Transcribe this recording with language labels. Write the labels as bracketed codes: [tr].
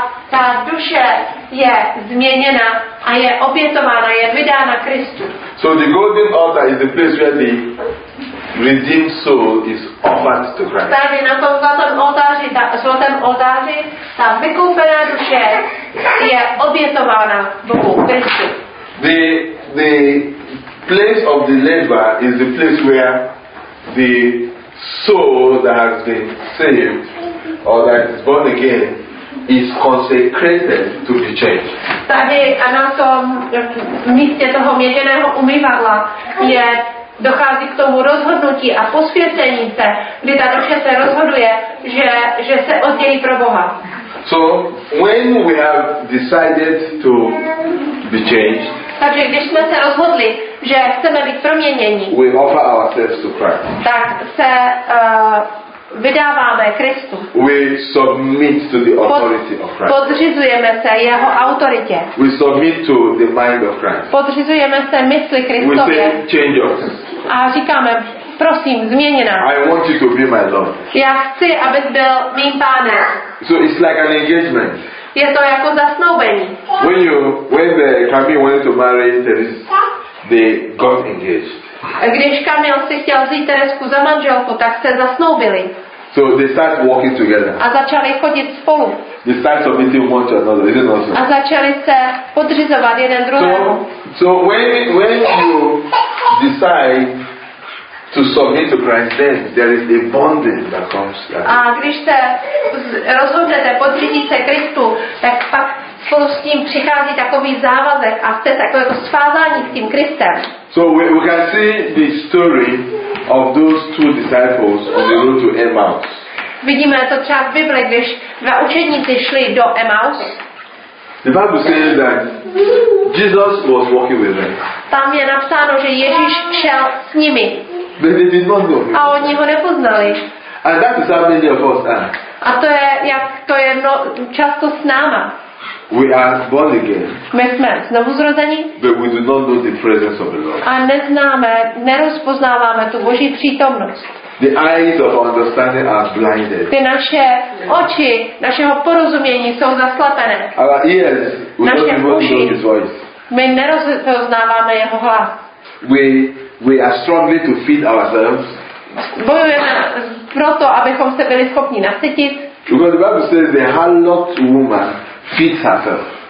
[cs] Ta duše je změněna a je obětována, je vydána Kristu. [en] So the golden altar is the place where the redeemed soul is offered to Christ. [cs] Tady na tom zlatém oltáři ta vykoupená duše je obětována Bohu Kristu. [en] The place of the labor is the place where the soul that has been saved or that is born again is consecrated to be changed. [cs] Tady a na tom místě toho měděného umývadla je dochází k tomu rozhodnutí a posvěcení se, kdy ta duše se rozhoduje, že se oddělí pro Boha. [en] So when we have decided to be changed, [cs] takže když jsme se rozhodli, že chceme být proměněni, [en] we offer ourselves to Christ. [cs] Tak se vydáváme Kristu. [en] We submit to the authority of Christ. [cs] Podřizujeme se jeho autoritě. [en] We submit to the mind of Christ. [cs] Podřizujeme se mysli Kristově. [en] We say, change us. [cs] A říkáme, prosím, změni nás. [en] I want you to be my Lord. [cs] Já chci, abys byl mým pánem. [en] So it's like an engagement. [cs] Je to jako zasnoubení. [en] When you, when the Camille wanted to marry Teres, they got engaged. [cs] Když Kamil si chtěl vzít Teresku za manželku, tak se zasnoubili. [en] So they start walking together. [cs] A začali chodit spolu. [en] They start submitting one to another, isn't it awesome? [cs] A začali se podřizovat jeden druhému. [en] So when you decide to submit to Christ, then there is a bonding that comes. [cs] A když se rozhodnete podřídit se Kristu, tak pak spolu s tím přichází takový závazek a jste takové jako svázání s tím Kristem. [en] So we can see the story of those two disciples on the road to Emmaus. [cs] Vidíme to třeba v Bibli, když dva učedníci šli do Emmaus. [en] The Bible says that Jesus was walking with them. [cs] Tam je napsáno, že Ježíš šel s nimi. [en] But they did not know him. [cs] A oni ho nepoznali. [en] And that is how many of us are. [cs] A to je, jak to je no, často s náma. [en] We are born again. [cs] My jsme znovu zrození. [en] But we do not know the presence of the Lord. [cs] A neznáme, nerozpoznáváme tu Boží přítomnost. [en] The eyes of understanding are blinded. [cs] Ty naše oči, našeho porozumění jsou zaslepené. [en] Our ears, we don't even know his voice. [cs] My nerozpoznáváme jeho hlas. [en] We are struggling to feed ourselves. [cs] Bojujeme proto, abychom se byli schopni nasytit. [en] Because the Bible says the harlot woman feeds herself.